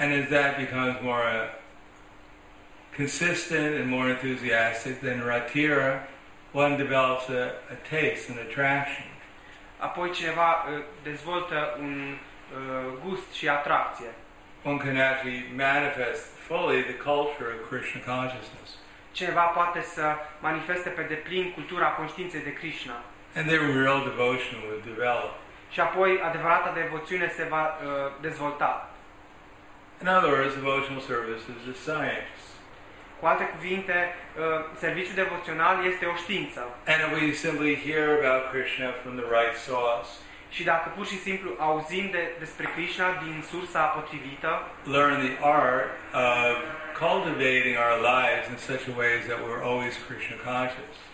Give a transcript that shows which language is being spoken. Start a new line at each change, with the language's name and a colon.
English: And as that becomes more consistent and more enthusiastic than ratira, one develops a taste, an attraction.
Romanian: Apoi cineva dezvoltă un gust și atracție.
English: One can actually manifest fully the culture of Krishna consciousness.
Romanian: Cineva poate să manifeste pe deplin cultura conștiinței de Krishna.
English: And then real devotion will develop.
Romanian: Și apoi adevărata devoțiune se va dezvolta.
English: In other words, devotional service is a science.
Romanian: Cu alte cuvinte, serviciul devoțional este o știință.
English: And we simply hear about Krishna from the right source.
Romanian: Și dacă pur și simplu auzim despre Krishna din sursa potrivită,
English: learn the art of cultivating our lives in such a way that we're always Krishna conscious.